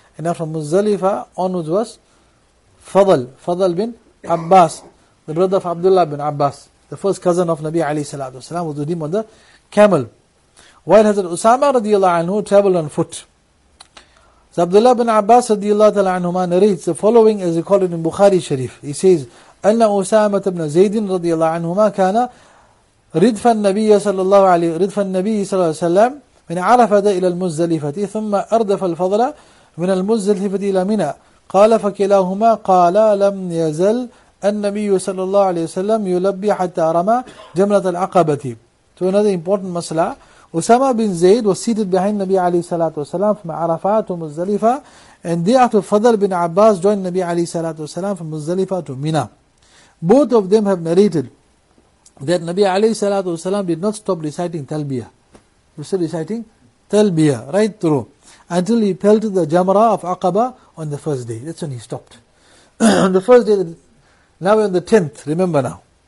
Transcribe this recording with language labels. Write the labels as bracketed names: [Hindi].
[English] And now from Muzdalifa onwards was Fadl bin Abbas, the brother of Abdullah bin Abbas, the first cousin of Nabi alayhi salatu wasalam, was with him on the camel. While Hazrat Usama radiallahu anhu traveled on foot. So Abdullah bin Abbas radiallahu ta'ala anhu narrates the following as recorded in Bukhari Sharif. He says, [Arabic] أَنَّ أُسَامَةَ بْنَ زَيْدٍ radiallahu anhu كَانَ رِدْفَ النَّبِيَّ صَلَّى اللَّهُ عَلَيْهِ رِدْفَ النَّبِيِّ صَلَّى اللَّهُ عَلَيْهِ وَسَلَّمْ من عرفة إلى المزدلفة ثم أردف الفضل من المزدلفة إلى منى. قال فكلاهما قال لم يزل النبي صلى الله عليه وسلم يلبي حتى رمى جملة العقبة. [English] To another important مسألة, أسامة بن زيد was seated behind [Arabic] النبي عليه الصلاة والسلام [English] from عرفات ومزدلفة, and the after فضل بن عباس joined النبي عليه الصلاة والسلام from مزدلفة to منى. Both of them have narrated that [Arabic] النبي عليه الصلاة والسلام [English] did not stop reciting تلبيه. He said reciting Talbiyah, right through, until he pelted the Jamra of Aqaba on the first day. That's when he stopped. On the first day, now we're on the 10th, remember now.